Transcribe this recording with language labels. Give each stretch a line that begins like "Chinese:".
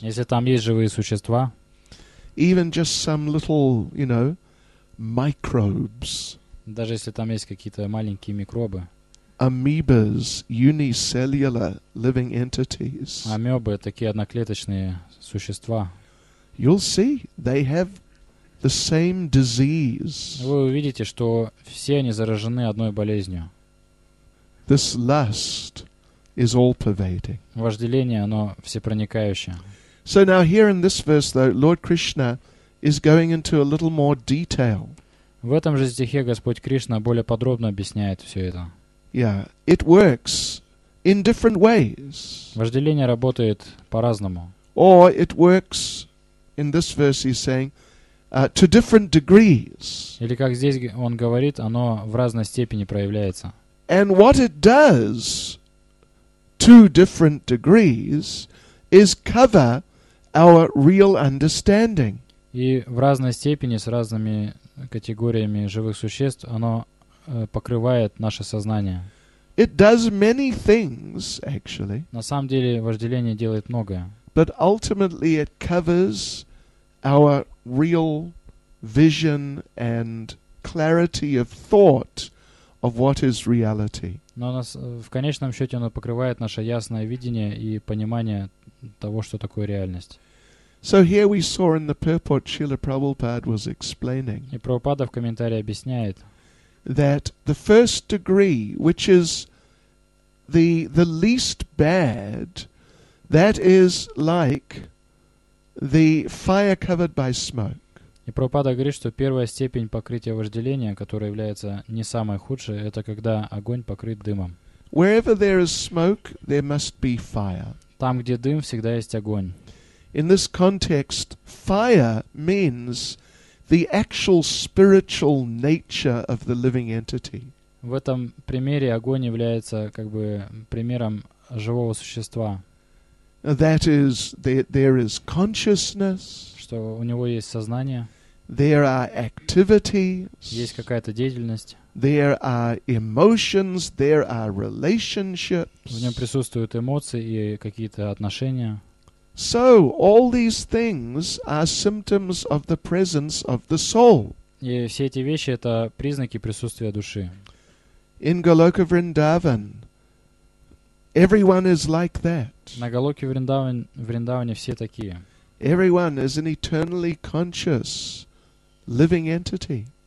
Russian: если там есть живые существа,
English: even just some little, you know, microbes.
Russian: Даже если там есть какие-то маленькие микробы.
English: Amoebas, unicellular living entities.
Russian: Амёбы, такие одноклеточные существа.
English: You'll see, they have the same disease.
Russian: Вы увидите, что все они заражены одной болезнью.
English: This lust is all-pervading.
Russian: Вожделение, оно всепроникающее.
English: So now here in this verse, though, Lord Krishna is going into a little more detail.
Russian: В этом же стихе Господь Кришна более подробно объясняет все это.
English: Yeah, it works in different ways.
Russian: Вожделение работает по-разному.
English: Or it works in this verse he's saying to different degrees.
Russian: Или как здесь он говорит, оно в разной степени проявляется.
English: And what it does to different degrees is cover our real understanding.
Russian: И в разной степени с разными категориями живых существ оно покрывает наше сознание.
English: It does many things, actually.
Russian: На самом деле вожделение делает многое.
English: But ultimately it covers our real vision and clarity of thought of what is reality.
Russian: Но в конечном счете оно покрывает наше ясное видение и понимание того, что такое реальность.
English: So here we saw in the purport Srila Prabhupada was explaining.
Russian: И Прабхупада в комментарии объясняет.
English: That the first degree, which is the least bad, that is like the fire covered by smoke.
Russian: И Прабхупада говорит, что первая степень покрытия вожделения, которая является не самой худшей, это когда огонь покрыт дымом.
English: Wherever there is smoke, there must be fire.
Russian: Там, где дым, всегда есть огонь.
English: In this context, fire means the actual spiritual nature of the living entity.
Russian: В этом примере огонь является как бы примером живого существа.
English: That is, there is consciousness.
Russian: Что у него есть сознание.
English: There are activities.
Russian: Есть какая-то деятельность.
English: There are emotions, there are relationships.
Russian: В нем присутствуют эмоции и какие-то отношения.
English: So all these things are symptoms of the presence of the soul.
Russian: И все эти вещи это признаки присутствия души.
English: In Goloka Vrindavan, everyone is like that.
Russian: На Голоке Вриндаване все такие.
English: Everyone is an eternally conscious living entity.